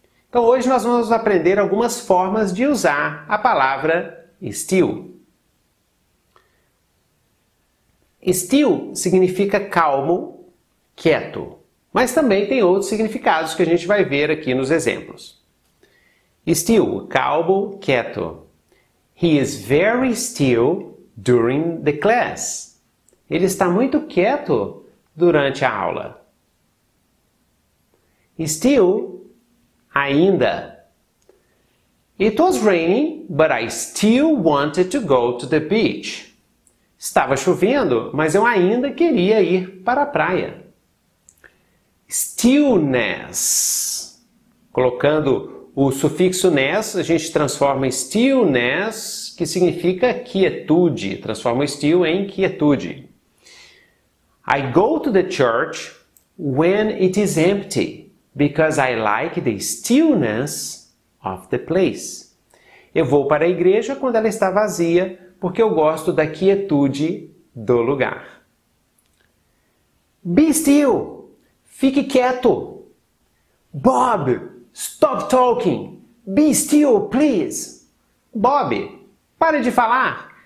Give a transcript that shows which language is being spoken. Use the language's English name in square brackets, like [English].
[Portuguese] Então hoje nós vamos aprender algumas formas de usar a palavra still. Still significa calmo, quieto. Mas também tem outros significados que a gente vai ver aqui nos exemplos. Still, calmo, quieto. [English] He is very still during the class. [Portuguese] Ele está muito quieto durante a aula. Still, ainda. [English] It was raining, but I still wanted to go to the beach. [Portuguese] Estava chovendo, mas eu ainda queria ir para a praia. Stillness. Colocando o sufixo -ness, a gente transforma stillness, que significa quietude. Transforma still em quietude. [English] I go to the church when it is empty, because I like the stillness of the place. [Portuguese] Eu vou para a igreja quando ela está vazia, porque eu gosto da quietude do lugar. [English] Be still! [Portuguese] Fique quieto! [English] Bob, stop talking! Be still, please! Bob, [Portuguese] pare de falar!